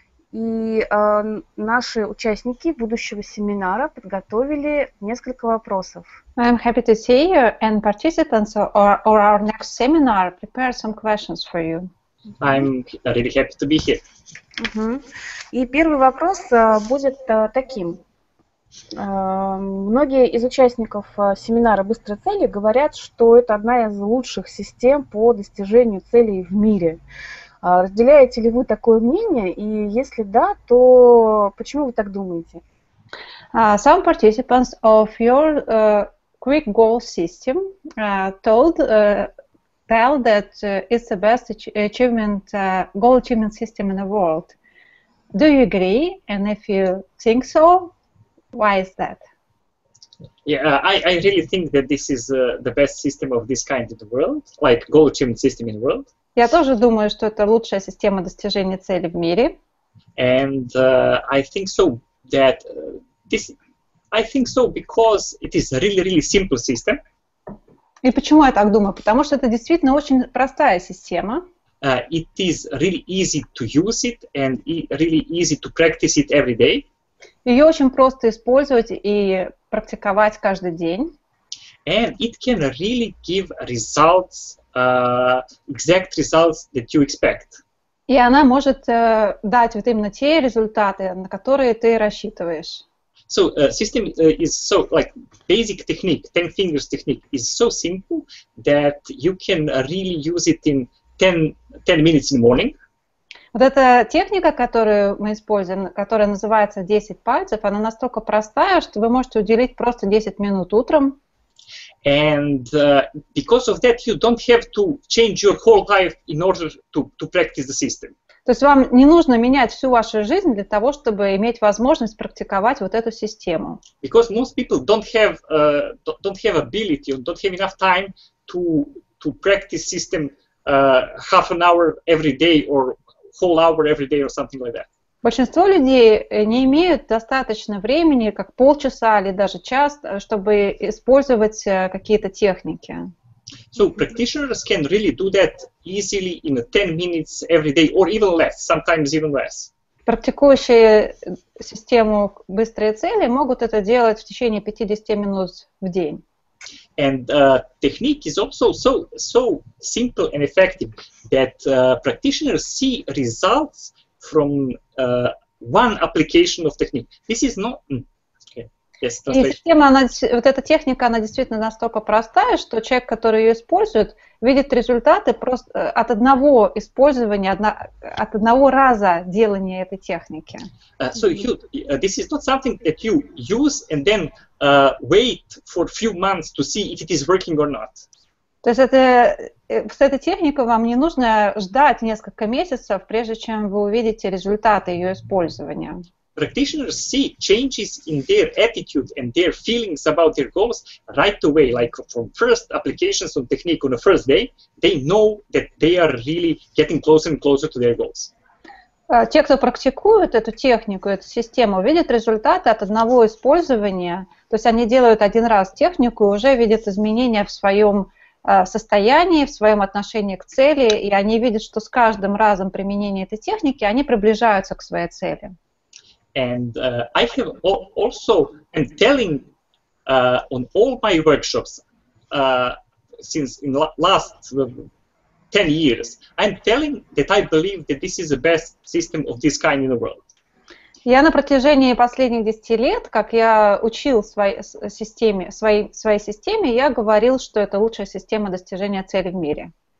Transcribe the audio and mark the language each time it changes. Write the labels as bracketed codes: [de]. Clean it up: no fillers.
[ru] И наши участники будущего семинара подготовили несколько вопросов. [en] I'm happy to see you and participants or our next seminar prepare some questions for you. I'm really happy to be here. [ru] И первый вопрос будет таким. Многие из участников семинара «Быстрые цели» говорят, что это одна из лучших систем по достижению целей в мире. Разделяете ли вы такое мнение? И если да, то почему вы так думаете? [en] Some participants of your quick goal system tell that it's the best achievement goal achievement system in the world. Do you agree? And if you think so, why is that? Yeah, I really think that this is the best system of this kind in the world, like goal achievement system in the world. [ru] Я тоже думаю, что это лучшая система достижения цели в мире. [en] And I think so that this, I think so because it is a really, really simple system. [ru] И почему я так думаю? Потому что это действительно очень простая система. [en] It is really easy to use it and really easy to practice it every day. [ru] Ее очень просто использовать и практиковать каждый день. [en] And it can really give results, exact results that you expect. [ru] И она может дать вот именно те результаты, на которые ты рассчитываешь. [en] So system is so like basic technique, ten fingers technique is so simple that you can really use it in ten minutes in the morning. [ru] Вот эта техника, которую мы используем, которая называется 10 пальцев, она настолько простая, что вы можете уделить просто 10 минут утром. [en] And because of that, you don't have to change your whole life in order to practice the system. [ru] То есть вам не нужно менять всю вашу жизнь для того, чтобы иметь возможность практиковать вот эту систему. [en] Because most people don't have ability, don't have enough time to practice system half an hour every day or whole hour every day or something like that. [ru] Большинство людей не имеют достаточно времени, как полчаса или даже час, чтобы использовать какие-то техники. [en] So practitioners can really do that easily in 10 minutes every day, or even less, sometimes even less. [ru] Практикующие систему «Быстрые цели» могут это делать в течение 50 минут в день. [en] And technique is also so simple and effective that practitioners see results from one application of technique. This is not... [ru] И система, вот эта техника, она действительно настолько простая, что человек, который ее использует, видит результаты просто от одного использования, от одного раза делания этой техники. [en] So you, this is not something that you use and then wait for a few months to see if it is working or not. [ru] То есть с этой техникой вам не нужно ждать несколько месяцев, прежде чем вы увидите результаты ее использования. [en] Practitioners see changes in their attitude and their feelings about their goals right away, like from first applications of technique on the first day, they know that they are really getting closer and closer to their goals. [ru] Те, кто практикует эту технику, эту систему, видят результаты от одного использования, то есть они делают один раз технику и уже видят изменения в своем состоянии, в своем отношении к цели, и они видят, что с каждым разом применения этой техники они приближаются к своей цели. [en] And I have also been telling on all my workshops since in last 10 years, I'm telling that I believe that this is the best system of this kind in the world. [ru] Я на протяжении последних 10 лет, как я учил своей системе, я говорил, что это лучшая система достижения цели в мире.